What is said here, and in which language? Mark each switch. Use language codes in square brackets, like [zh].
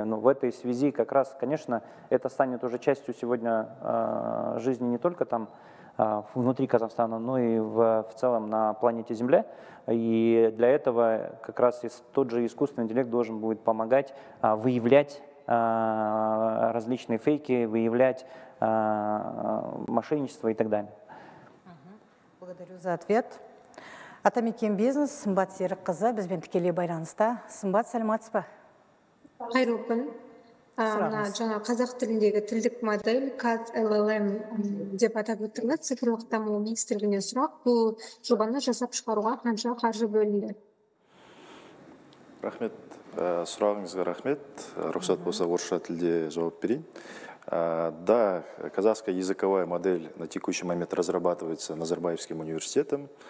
[ru] Но в этой связи как раз, конечно, это станет уже частью сегодня жизни не только там внутри Казахстана, но и в целом на планете Земля. И для этого как раз тот же искусственный интеллект должен будет помогать выявлять различные фейки, выявлять мошенничество и так далее. Благодарю за ответ. [kk] Атамекен бизнес, Сымбат Серікқызы, бізбен тікелей байланыста. Сымбат, сәлематсыз ба? Қайырлы күн. Жаңа қазақ тіліндегі тілдік модель CAD-LLM деп атап өттіңіз, цифрлық даму министрлігіне сұрақ. Бұл жобаны жасап шығаруға қанша қаржы бөлінді? Рахмет. Сұрағыңызға рахмет. Рұқсат болса, орысша тілде жауап берейін. [ru] Да, казахская языковая модель на текущий момент разрабатывается Назарбаевским университетом.